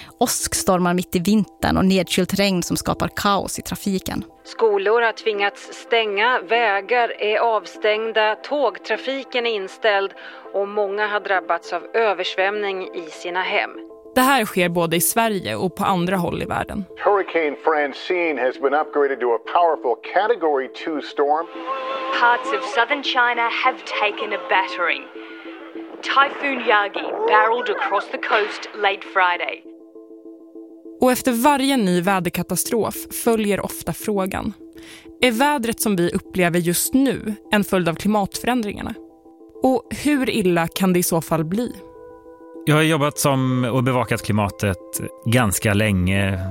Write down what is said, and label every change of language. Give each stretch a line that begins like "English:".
Swedish: Åskstormar mitt i vintern och nedkylt regn som skapar kaos i trafiken. Skolor har tvingats stänga, vägar är avstängda, tågtrafiken är inställd och många har drabbats av översvämning i sina hem. Det här sker både i Sverige och på andra håll i världen.
English: Hurricane Francine has been upgraded to a powerful category 2 storm. Parts of southern China have taken a battering. Typhoon Yagi barreled across the coast late Friday.
Swedish: Och efter varje ny väderkatastrof följer ofta frågan: är vädret som vi upplever just nu en följd av klimatförändringarna? Och hur illa kan det i så fall bli? Jag har jobbat som och bevakat klimatet ganska länge.